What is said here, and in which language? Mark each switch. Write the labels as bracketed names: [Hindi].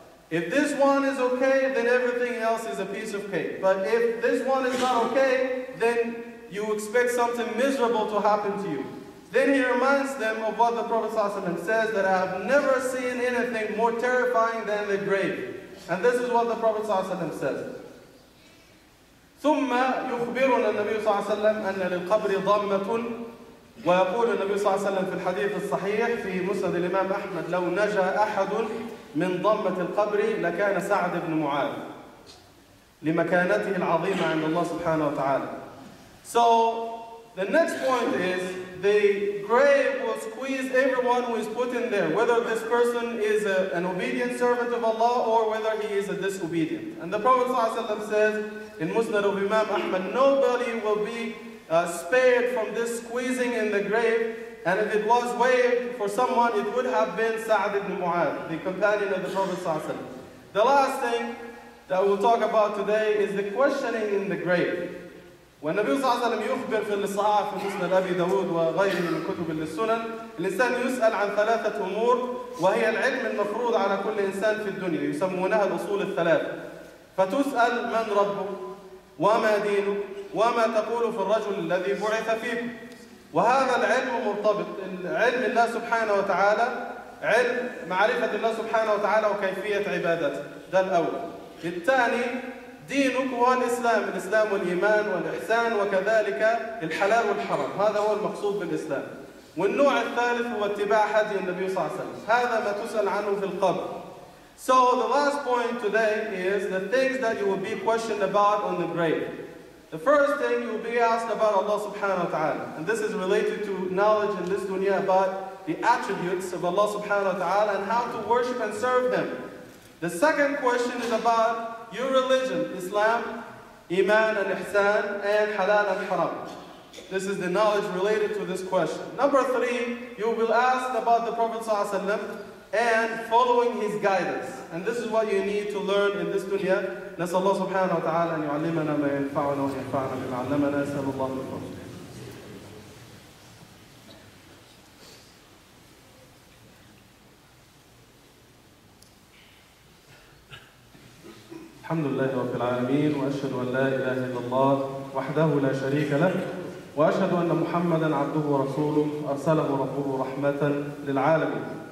[English] If this one is okay, then everything else is a piece of cake. But if this one is not okay, then you expect something miserable to happen to you. Then he reminds them of what the Prophet ﷺ says, that I have never seen anything more terrifying than the grave. And this is what the Prophet ﷺ says. [Arabic] ثم يخبرنا النبي صلى الله عليه وسلم أن للقبر ضمة. ويقول النبي صلى الله عليه وسلم في الحديث الصحيح في مسند الإمام أحمد: لو نجا أحد من ضمة القبر لكان سعد بن معاذ، لمكانته العظيمة عند الله سبحانه وتعالى. [English] So the next point is the grave will squeeze everyone who is put in there, whether this person is an obedient servant of Allah or whether he is a disobedient. And the Prophet صلى الله عليه وسلم says in Musnad of Imam Ahmad, nobody will be spared from this squeezing in the grave. And if it was waived for someone, it would have been Sa'd ibn Mu'adh, the companion of the Prophet صلى الله عليه وسلم. The last thing that we'll talk about today is the questioning in the grave. When [Arabic] Nabi صلى الله عليه وسلم يخبر في الصحاح في مسند أبي داود وغيره من كتب السنن، الإنسان يسأل عن ثلاثة أمور، وهي العلم المفروض على كل إنسان في الدنيا، يسمونها الأصول الثلاث. فتسأل: من ربك؟ وما دينك؟ وما تقول في الرجل الذي بعث فيه؟ وهذا العلم مرتبط، علم الله سبحانه وتعالى، علم معرفة الله سبحانه وتعالى وكيفية عبادته، ده الأول. الثاني دينك هو الإسلام، الإسلام والإيمان والإحسان وكذلك الحلال والحرام، هذا هو المقصود بالإسلام. والنوع الثالث هو اتباع هدي النبي صلى الله عليه وسلم، هذا ما تسأل عنه في القبر. [English] So the last point today is the things that you will be questioned about on the grave. The first thing you will be asked about Allah subhanahu wa ta'ala, and this is related to knowledge in this dunya about the attributes of Allah subhanahu wa ta'ala and how to worship and serve Him. The second question is about your religion, Islam, Iman and Ihsan, and Halal and Haram. This is the knowledge related to this question. Number three, you will be asked about the Prophet sallallahu alaihi wasallam and following his guidance. And this is what you need to learn in this dunya. [Arabic] نسأل الله سبحانه وتعالى أن يعلمنا ما ينفعنا وينفعنا بما علمنا سبح الله بالفضل. الحمد لله رب العالمين وأشهد أن لا إله إلا الله وحده لا شريك له وأشهد أن محمدا عبده ورسوله أرسله ربه رحمة للعالمين.